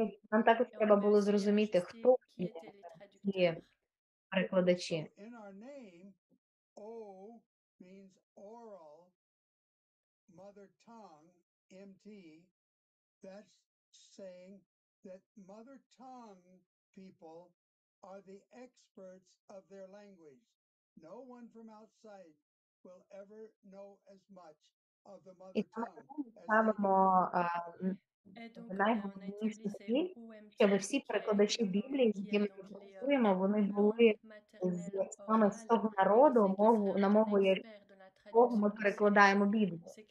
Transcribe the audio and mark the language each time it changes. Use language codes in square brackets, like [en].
[uk] Нам також треба було зрозуміти, хто є перекладачі. [en] In our name, O means oral, mother tongue, MT, that's saying that mother tongue people are the experts of their language. No one from outside will ever know as much. [uk] І ставимо найголовніші слі, щоб всі перекладачі Біблії, з якими ми працюємо, вони були саме з того народу, на мову якого ми перекладаємо Біблію.